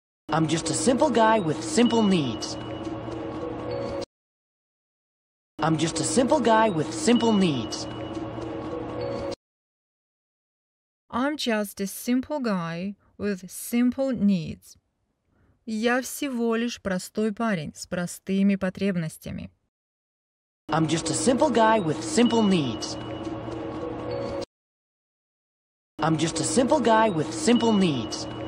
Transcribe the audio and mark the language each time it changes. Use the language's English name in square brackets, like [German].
[English] I'm just a simple guy with simple needs. I'm just a simple guy with simple needs. I'm just a simple guy with simple needs. [Russian] Я всего лишь простой парень с простыми потребностями. [English] I'm just a simple guy with simple needs. I'm just a simple guy with simple needs.